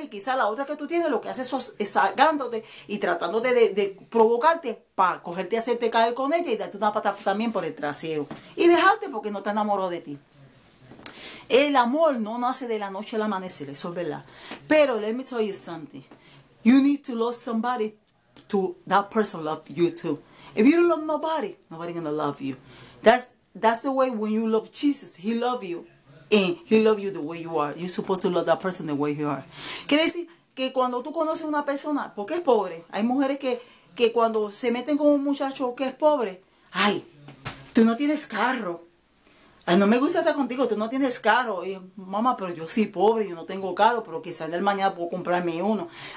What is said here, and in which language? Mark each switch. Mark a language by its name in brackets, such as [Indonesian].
[Spanish] Y quizá la otra que tú tienes lo que hace es sacándote y tratándote de provocarte para cogerte y hacerte caer con ella y darte una pata también por el trasero. Y dejarte porque no te enamoró de ti. El amor no nace de la noche al amanecer, eso es verdad. [English] Pero let me tell you something. You need to love somebody to that person love you too. If you don't love nobody, nobody's gonna love you. That's the way when you love Jesus, he love you and he love you the way you are. You're supposed to love that person the way you are. [Spanish] Quiere decir que cuando tú conoces una persona, porque es pobre, hay mujeres que cuando se meten con un muchacho que es pobre, ay, tú no tienes carro. Ay, no me gusta estar contigo, tú no tienes carro. Y mamá, pero yo sí pobre, yo no tengo carro, pero quizás del mañana puedo comprarme uno.